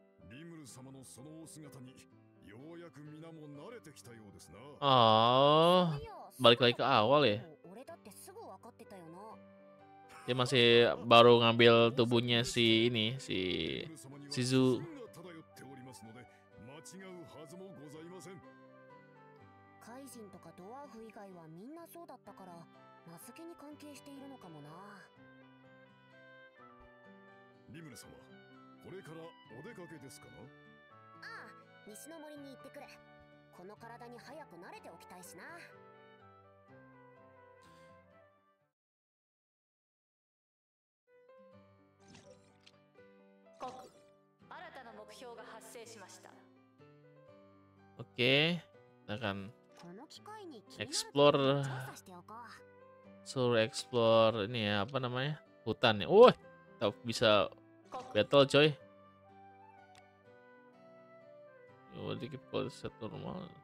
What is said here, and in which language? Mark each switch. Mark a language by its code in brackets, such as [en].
[ja] Rimuru-sama no sono osugatani ようやく皆も慣れてきたようですな。 [id] ああ、balik lagi ke awal ya。 [ja] 俺だってすぐ分かってたよな。 [id] Dia masih baru ngambil tubuhnya si ini, si Shizu。 [ja] 漂っておりますので、間違うはずもございません。怪人とかドワーフ以外はみんなそうだったから、名付けに関係しているのかもな。リムル様、これからお出かけですかな？ああ。西の森に行ってくれ。この体に早く慣れておきたいしな。コク、新たな目標が発生しました。オッケー。だから、この機会に explore、調査しておこう。 [id] そう、explore、ini ya、apa namanya、hutan ya。おい、たぶん bisa battle coy。 Jadi kita boleh set normal.